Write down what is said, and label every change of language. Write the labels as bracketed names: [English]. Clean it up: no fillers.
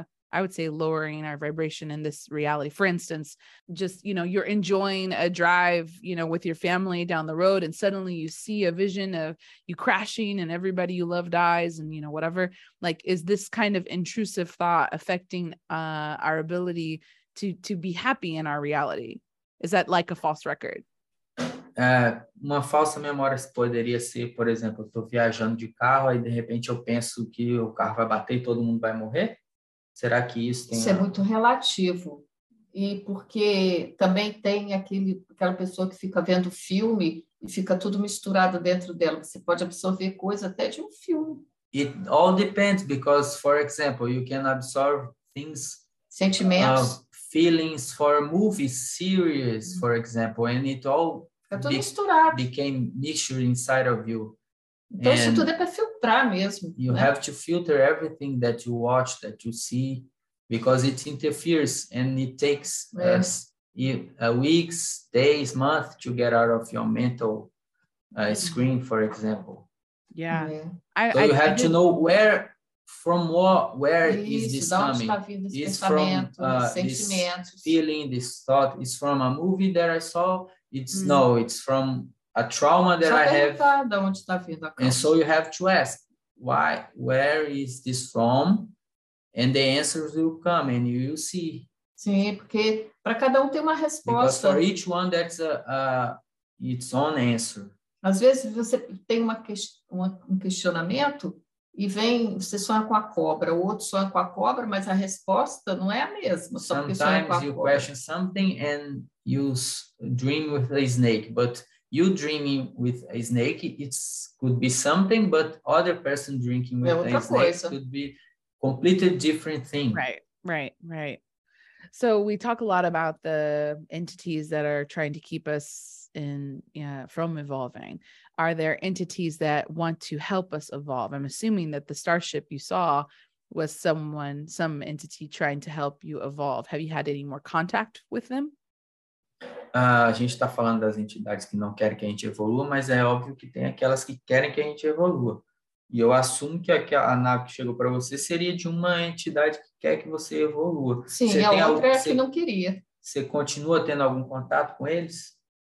[English] I would say lowering our vibration in this reality. For instance, just, you know, you're enjoying a drive, you know, with your family down the road and suddenly you see a vision of you crashing and everybody you love dies and, you know, whatever. Like, is this kind of intrusive thought affecting our ability to be happy in our reality? Is that like a false record? [Portuguese] Uma falsa memória poderia ser, por exemplo, eu tô viajando de carro e de repente eu penso que o carro vai bater e todo mundo vai morrer. Será que isso tem... Isso é muito relativo. E porque também tem aquela pessoa que fica vendo filme e fica tudo misturado dentro dela. Você pode absorver coisa até de um filme. [English] It all depends, because, for example, you can absorb things... [Portuguese] Sentimentos. [English] Feelings for a movie series, for example. And it all... [Portuguese] Fica tudo misturado. [English] Became mixture inside of you. [Portuguese] Então, isso tudo é para filtrar mesmo. [English] You have to filter everything that you watch, that you see, because it interferes and it takes us weeks, days, months to get out of your mental screen, for example. Yeah. So you have to know where, from what, where is this coming? It's from this feeling, this thought. It's from a movie that I saw. It's no, it's from... A trauma that I have. [Portuguese] De onde tá vindo a causa. [English] And so you have to ask, why? Where is this from? And the answers will come and you will see. [Portuguese] Sim, porque para cada tem uma resposta. [English] Because for each one, that's its own answer. [Portuguese] Às vezes você tem um questionamento e vem, você sonha com a cobra, o outro sonha com a cobra, mas a resposta não é a mesma. Só [English] sometimes [Portuguese] sonha com a [English] you [Portuguese] cobra. [English] Question something and you dream with a snake, but you dreaming with a snake, it could be something, but other person drinking with a snake could be completely different thing. Right, right, right. So we talk a lot about the entities that are trying to keep us in from evolving. Are there entities that want to help us evolve? I'm assuming that the starship you saw was some entity trying to help you evolve. Have you had any more contact with them? [Portuguese] A gente está falando das entidades que não querem que a gente evolua, mas é óbvio que tem aquelas que querem que a gente evolua. E eu assumo que a nave que chegou para você seria de uma entidade que quer que você evolua. Sim, você a tem outra algo, é a que não queria. Você continua tendo algum contato com eles?